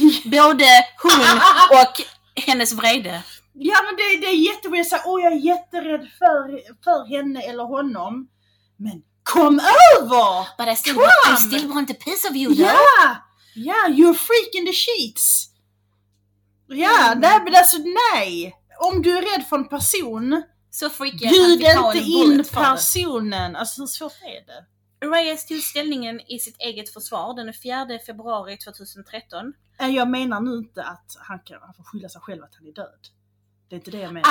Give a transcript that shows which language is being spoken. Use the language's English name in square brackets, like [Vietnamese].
[Swedish] Både hon och hennes vrede. Ja, men det är jättebra. Jag säger, jag är jätterädd för henne eller honom. Men kom över! [English] But I still want a piece of you, though. Yeah, yeah, you're freaking the sheets. [Swedish] Ja, yeah, men alltså nej. Om du är rädd för en person... Så freaky att vi tar in personen. Alltså hur svårt är det? Reyes tog ställningen i sitt eget försvar den 4 februari 2013. Jag menar nu inte att han får skylla sig själv att han är död. Det är inte det jag menar.